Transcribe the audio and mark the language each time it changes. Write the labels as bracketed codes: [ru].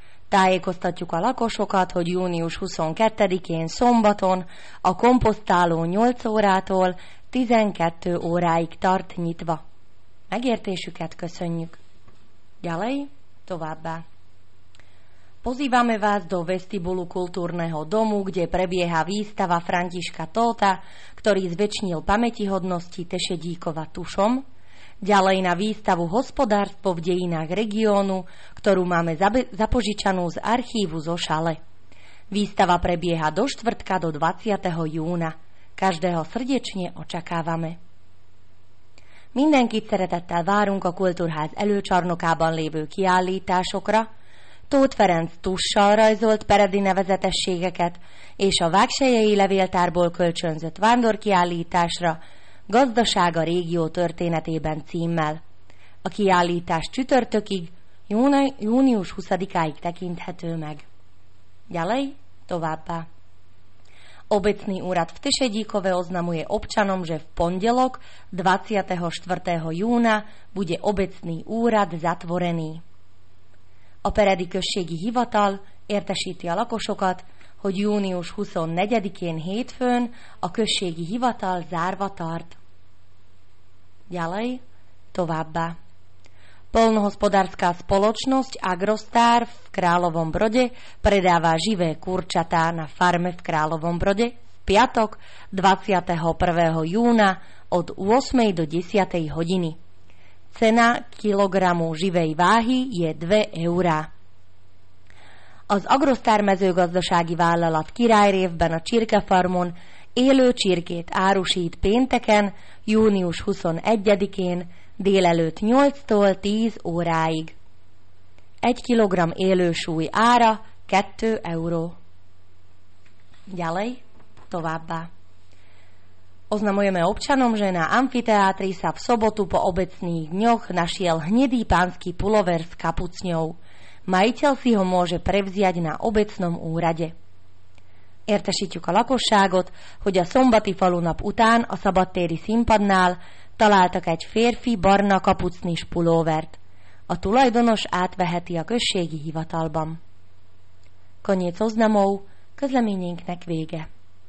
[hu] Tá je kostaťuka lakosokat od június 22. szombaton a komposztáló 8 órától 12 óráig tart nyitva. Megértésüket köszönjük. [sk] Ďalej, [hu] továbbá. [sk] Pozývame vás do vestibulu kultúrneho domu, kde prebieha výstava Františka Tóta, ktorý zväčšnil pamätihodnosti Tešedíkova tušom. Ďalej na výstavu hospodárstvo v dejinách regiónu, ktorú máme zapožičanú z archívu zo šale. Výstava prebieha do štvrtka do 20. júna. Každého srdečne očakávame. [hu] Mindenkit szeretettel várunk a Kultúrház előcsarnokában lévő kiállításokra, Tóth Ferenc tussal rajzolt peredi nevezetességeket és a Vágsejei Levéltárból kölcsönzött vándorkiállításra Gazdaság a régió történetében címmel. A kiállítás csütörtökig, június 20-áig tekinthető meg. [sk] Ďalej, [hu] továbbá. [sk] Obecný úrad v Tešedíkove oznamuje občanom, že v pondelok 24. júna bude obecný úrad zatvorený. [hu] A peredi községi hivatal értesíti a lakosokat, hogy június 24-én hétfőn a községi hivatal zárva tart. [sk] Ďalej, [hu] továbbá. [sk] Poľnohospodárska spoločnosť Agrostar v Královom Brode predáva živé kurčatá na farme v Královom Brode v piatok 21. júna od 8. do 10. hodiny. Cena kilogramu živej váhy je 2 eurá. [hu] Az Agrostar mezőgazdasági vállalat Királyrévben a csirkefarmon élő csirkét árusít pénteken, június 21-én, délelőtt 8-tól 10 óráig. 1 kilogram élő súly ára 2 euró. [sk] Ďalej, [hu] továbbá. [sk] Oznamujeme občanom, že na amfiteátri sa v sobotu po obecných dňoch našiel hnedý pánsky pulover s kapucňou. Majiteľ si ho môže prevziať na obecnom úrade. [hu] Értesítjük a lakosságot, hogy a szombati falunap után a szabadtéri színpadnál találtak egy férfi barna kapucnis pulóvert. A tulajdonos átveheti a községi hivatalban. [sk] Konec oznamov, [hu] közleményénknek vége.